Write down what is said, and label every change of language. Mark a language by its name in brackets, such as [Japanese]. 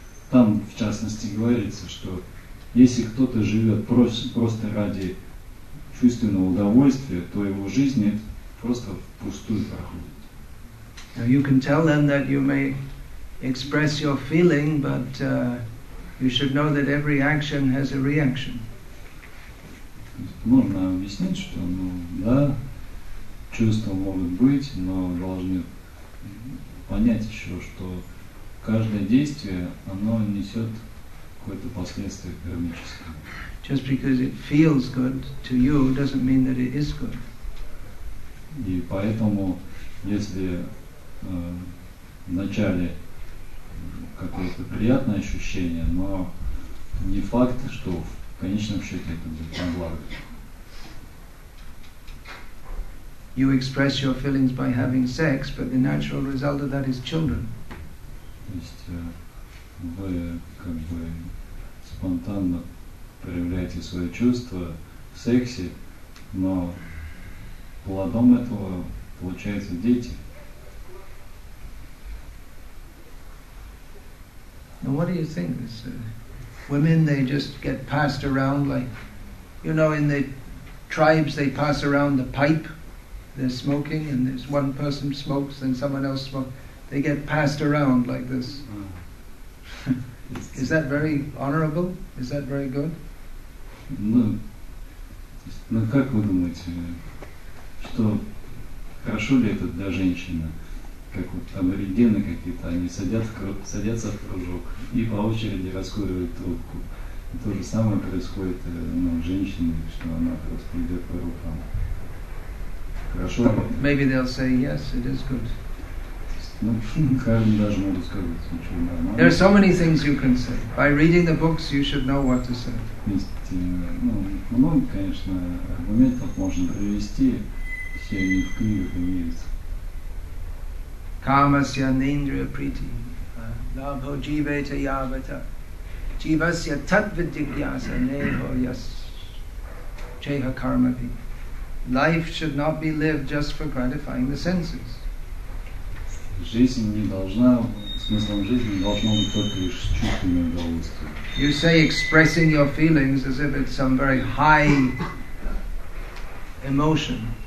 [Russian] Там, в частности, говорится, что если кто-то живет просто ради чувственного удовольствия, то его жизнь просто впустую проходит. [English] Now you can tell them that you may express your feeling, but you should know that every action has a reaction. [Russian] Можно объяснить, что чувства могут быть, но должны понять еще, что каждое действие, оно несет какое-то последствие кармическое. [English] Just because it feels good to you doesn't mean that it is good. [Russian] И поэтому, если в начале какое-то приятное ощущение, но не факт, что в конечном счете это будет на благо. [English] You express your feelings by having sex, but the natural result of that is children. [Russian] То есть вы спонтанно проявляете свои чувства в сексе, но плодом этого получаются дети. [English] Now what do you think? Women, they just get passed around like, in the tribes they pass around the pipe, they're smoking, and there's one person smokes, then someone else smokes. They get passed around like this. Is that very honorable? Is that very good? [Russian] Ну, как вы думаете, что хорошо ли это для женщины? Как вот там аборигены какие-то, они садятся в кружок и по очереди раскуривают трубку. И то же самое происходит с женщиной, что она просто идет по рукам. Хорошо ли? [English] Maybe they'll say, yes, it is good. There are so many things you can say. By reading the books, you should know what to say. [Sanskrit] Kamasya nindriya priti labho jiveta yavata jivasya tatvidyasa neho yas cheha karmati. [English] Life should not be lived just for gratifying the senses. [Russian] Жизнь не должна, смыслом жизни не должно быть только лишь чувственное удовольствие. [English] You say expressing your feelings as if it's some very high emotion.